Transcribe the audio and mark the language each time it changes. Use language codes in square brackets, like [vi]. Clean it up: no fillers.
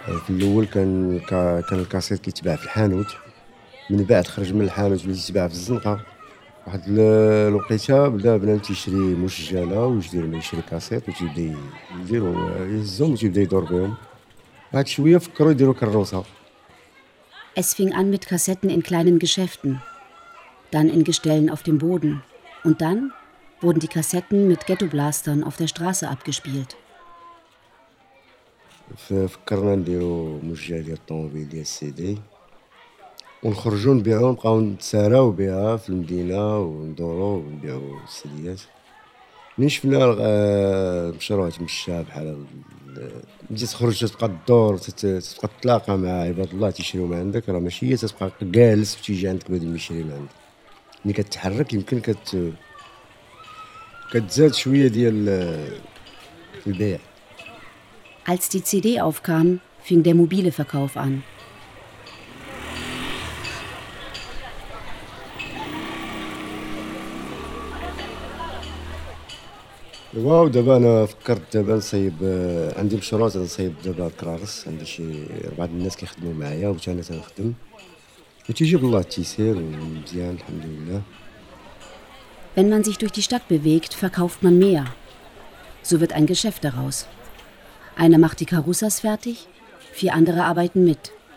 [ar] الأول كان الكاسيت كيتباع في الحانوت، من بعد خرج من الحانوت اللي كيتباع في الزنقة. واحد الوقيته بدا بنادم تيشري مشجله وجدير من يشري كاسيت وتيبدا يديرو يهزهم وتيبدا يدور بهم. بعد شويه فكروا يديرو كروسه. [de] Es fing an mit Kassetten in kleinen Geschäften, dann in Gestellen auf dem Boden und dann wurden die Kassetten mit Ghetto-Blastern auf der Straße abgespielt. [ar] ففكرنا نديرو مشجله ديال الطوموبيل ديال السي دي ونخرجوا نبيعوا نبقاو نتساراو بها في المدينه وندورو ونبيعوا السيديات. ملي شفنا المشروع تمشى بحال بديت تخرج تبقى الدور تبقى تتلاقى مع عباد الله تيشريو من عندك، راه ماشي هي تبقى جالس وتيجي عندك بعد ما يشري من عندك. ملي كتحرك يمكن كتزاد شويه ديال البيع. [de] Als die CD aufkam, fing der mobile Verkauf an. [ar] واو دابا انا فكرت دابا نصيب عندي مشروع نصيب دابا كرارس، عندي شي بعض الناس كيخدموا معايا و حتى انا تنخدم و تيجي بالله التيسير ومزيان الحمد لله. [de] Wenn man sich durch die Stadt bewegt, verkauft man mehr. So wird ein Geschäft daraus. Einer macht die Karussas fertig, vier andere arbeiten mit.